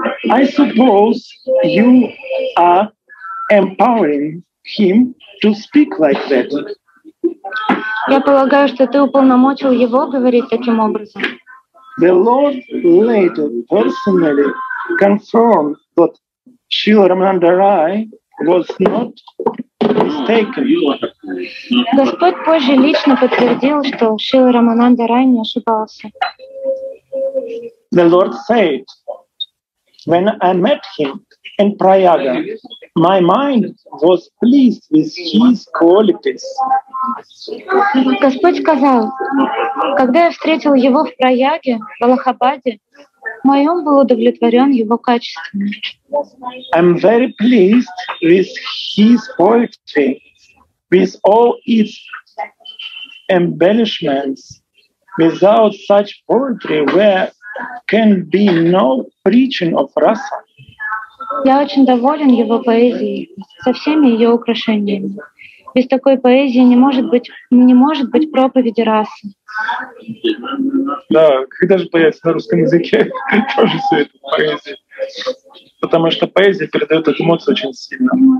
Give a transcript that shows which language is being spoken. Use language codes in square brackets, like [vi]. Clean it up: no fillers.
[en] I suppose you are empowering him to speak like that. [ru] Я полагаю, что ты уполномочил его говорить таким образом. [en] The Lord later personally confirmed that Srila Ramananda Rai was not mistaken. [ru] Господь позже лично подтвердил, что Шрила Рамананда Рай не ошибался. [en] The Lord said, when I met him in Prayaga, My mind was pleased with his qualities. [ru] Господь сказал, когда я встретил его в Праяге, в Аллахабаде, мой ум был удовлетворен его качествами. [en] I'm very pleased with his quality, with all its embellishments. Without such poetry, where can be no preaching of rasa? [ru] Я очень доволен его поэзией, со всеми ее украшениями. Без такой поэзии не может быть проповеди расы. Да, когда же появится на русском языке тоже все это поэзия? Потому что поэзия передает эту эмоцию очень сильно.